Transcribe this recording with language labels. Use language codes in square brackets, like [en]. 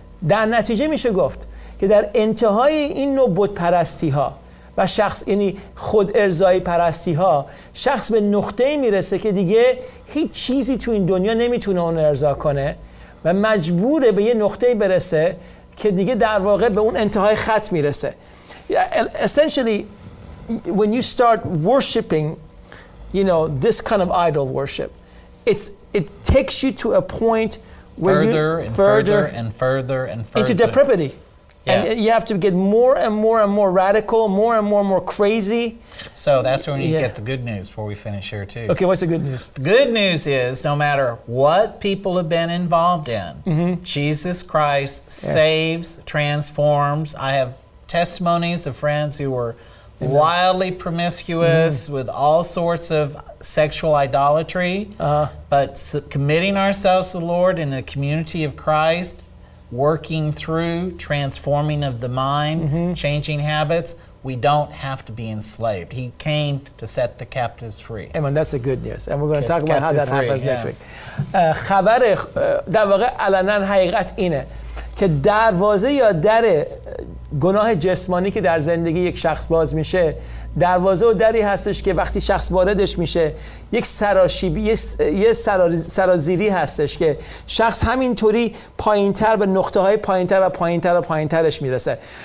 [fa] در نتیجه میشه گفت که در انتهای این نوع بت پرستی ها و شخص، یعنی خود ارضایی پرستی ها، شخص به نقطه میرسه که دیگه هیچ چیزی تو این دنیا نمیتونه اون رو ارضا کنه و مجبوره به یه نقطه برسه که دیگه در واقع به اون انتهای خط میرسه. [en] Essentially, when you start worshiping, you know, this kind of idol worship, it takes you to a point where further and further into depravity. Yeah. And you have to get more and more and more radical, more and more and more crazy. So that's when you get the good news before we finish here too. Okay, what's the good news? The good news is no matter what people have been involved in, Jesus Christ saves, transforms. I have testimonies of friends who were wildly promiscuous with all sorts of sexual idolatry, but committing ourselves to the Lord in the community of Christ, working through transforming of the mind, changing habits, we don't have to be enslaved. He came to set the captives free. Amen. That's the good news. And we're going to talk about how that happens next week. [fa] خبر در واقع علنان حقیقت اینه که دروازه یا در گناه جسمانی که در زندگی یک شخص باز میشه، دروازه و دری هستش که وقتی شخص واردش میشه یک سراشیبی، یه سرازیری هستش که شخص همینطوری پایینتر به نقطه های پایینتر و پایینتر و پایینترش میرسه.